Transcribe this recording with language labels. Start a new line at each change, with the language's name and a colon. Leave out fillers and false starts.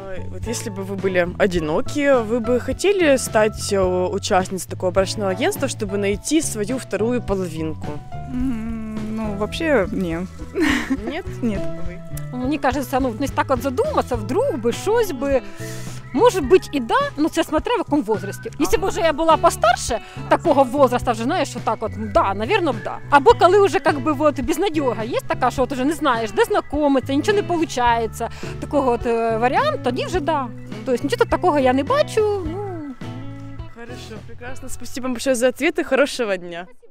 Russian: Вот если бы вы были одиноки, вы бы хотели стать участницей такого брачного агентства, чтобы найти свою вторую половинку? Ну, вообще, нет. Нет? Нет. Мне кажется, ну, если так вот задуматься, вдруг бы,
Ukrainian: щось
Russian: бы. Может быть и да, но це смотря
Ukrainian: в якому возрасті. Якщо б вже я була постарше такого возрасту, вже знаєш, що так от, да, навірно б да. Або коли вже як би от безнадіга є така, що от вже не знаєш, де знайомитися, нічого не виходить, такого от варіанту, тоді вже да. Тобто нічого тут такого я не бачу. Ну.
Russian: Хорошо, прекрасно. Спасибо вам большое за ответы, хорошего дня.